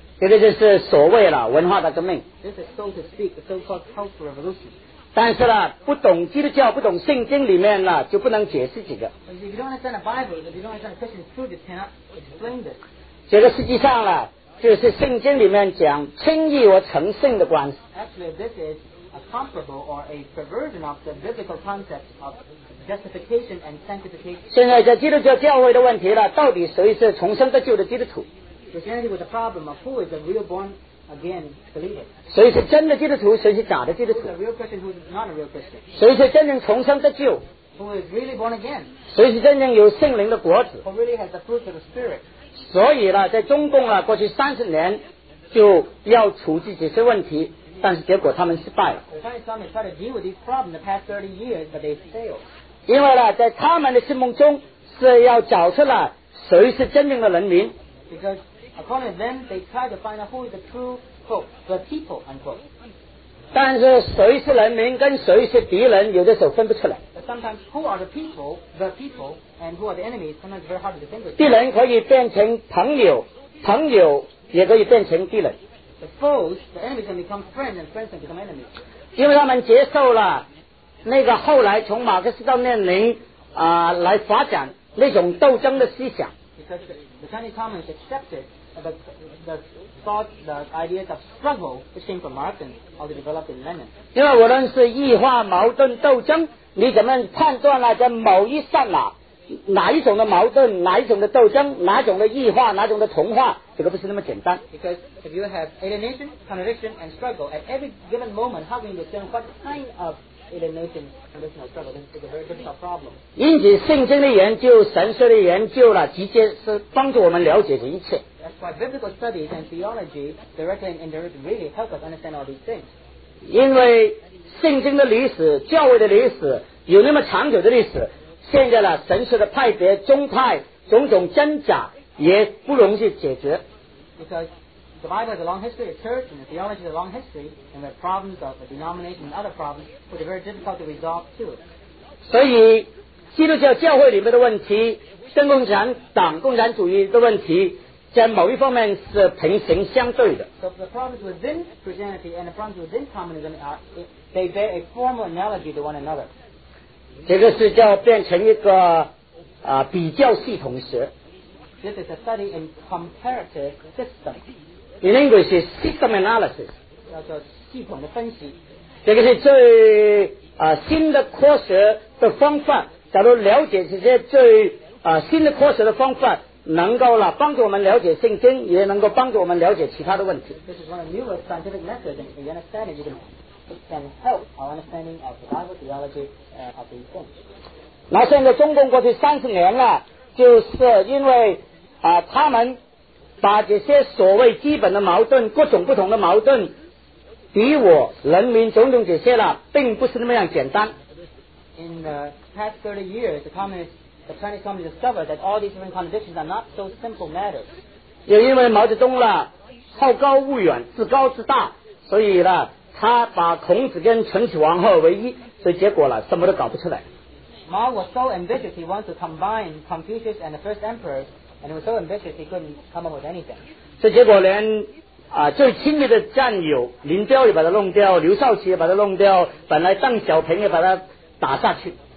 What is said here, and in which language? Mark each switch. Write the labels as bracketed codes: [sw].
[zh] 这就是所谓的文化的革命。 [en] This is so to speak, the so-called cultural revolution. [zh] 但是呢，不懂基督教、不懂圣经里面呢，就不能解释这个。 [en] If you don't understand the Bible, if you don't understand Christian truth, you cannot explain this. [zh] 这个实际上呢，就是圣经里面讲轻易和成圣的关系。 [en] Actually, this is a comparable or a perversion of the biblical concept of justification and sanctification. [zh] 现在在基督教教会的问题呢，到底谁是重生得救的基督徒？ [en] Christianity was a problem of who is a real born again believer. [zh] 谁是真的基督徒，谁是假的基督徒？ [en] Who is a real Christian, who is not a real Christian? [zh] 谁是真正重生得救？ [en] Who is really born again? [zh] 谁是真正有圣灵的果子？ [en] Who really has the fruit of the Spirit? [zh] 所以呢，在中共呢，过去三十年就要处置这些问题，但是结果他们失败了。 [en] The Chinese government tried to deal with these problems the past 30 years, but they failed. [zh] 因为呢，在他们的心目中是要找出来谁是真正的人民。 [en] Because according to them, they try to find out who is the true, quote, the people, unquote. [zh] 但是谁是人民跟谁是敌人有的时候分不出来。 [en] But sometimes who are the people, and who are the enemies, sometimes it's very hard to distinguish. [zh] 敌人可以变成朋友，朋友也可以变成敌人。 [en] The foes, the enemies can become friends, and friends can become enemies. [zh] 因为他们接受了那个后来从马克思到列宁、来发展那种斗争的思想。 [en] Because the Chinese Communists accepted the thought, the ideas of struggle which came from Marx and all the developed in Lenin. [zh] 因为无论是异化矛盾斗争，你怎么判断了在某一刹那，哪一种的矛盾，哪一种的斗争，哪种的异化，哪种的同化，这个不是那么简单。 [en] Because if you have alienation, contradiction, and struggle at every given moment, how can you discern what kind of alienation, contradiction, or struggle? This is a very difficult problem. [zh] 因此，圣经的研究、神学的研究呢，直接是帮助我们了解这一切。 [en] That's why biblical studies and theology directly and indirectly really help us understand all these things. [zh] 因为圣经的历史、教会的历史有那么长久的历史。现在呢，神学的派别、宗派种种真假也不容易解决。 [en] Because the Bible has a long history, the church and the theology has a long history, and the problems of the denomination and other problems would be very difficult to resolve too. [zh] 所以，基督教教会里面的问题，跟共产党、共产主义的问题，在某一方面是平行相对的。 [en] So the problems within Christianity and the problems within communism they bear a formal analogy to one another. [zh] 这个是叫变成一个、比较系统学。 [en] This is a study in comparative system. In English, is system analysis. [zh] 叫做系统的分析。这个是最、新的科学的方法。假如了解这些最、新的科学的方法，能够了帮助我们了解圣经，也能够帮助我们了解其他的问题。 [en] This is one of newer scientific methods in understanding the world. Can help our understanding of the Bible theology of these things. [zh] 那现在中共过去三十年了，就是因为、他们把这些所谓基本的矛盾、各种不同的矛盾、敌我、人民种种这些了，并不是那么样简单。 [en] In the past 30 years, the Chinese Communists discovered that all these different contradictions are not so simple matters. [zh] 也因为毛泽东了，好高骛远、自高自大，所以呢。他把孔子跟秦始皇后为一，所以结果了什么都搞不出来。 [en] Mao was so ambitious he wanted to combine Confucius and the first emperor, and he was so ambitious he couldn't come up with anything. [zh] 所以结果连、最亲密的战友林彪也把他弄掉，刘少奇也把他弄掉，本来邓小平也把他打下去。